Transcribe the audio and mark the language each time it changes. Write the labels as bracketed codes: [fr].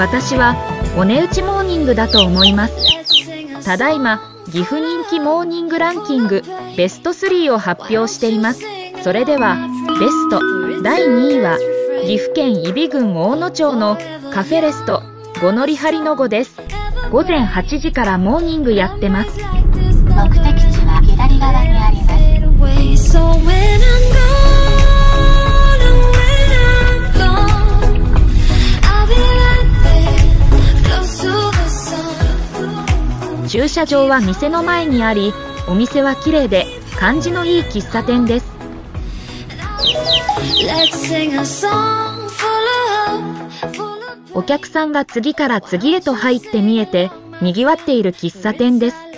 [ja] 私はお値打ちモーニングだと思います。ただいま岐阜人気モーニングランキングベスト3を発表しています。それではベスト第2位は岐阜県揖斐郡大野町のカフェレスト五の利張りの五です。午前8時からモーニングやってます。目的地は左側にあります。 [en] So when I'm gone, and when I'm gone, I'll be right there, close to the sun. [ja] 駐車場は店の前にあり、お店は綺麗で感じのいい喫茶店です。 [en] Let's sing a song full of hope. [ja] お客さんが次から次へと入って見えて賑わっている喫茶店です。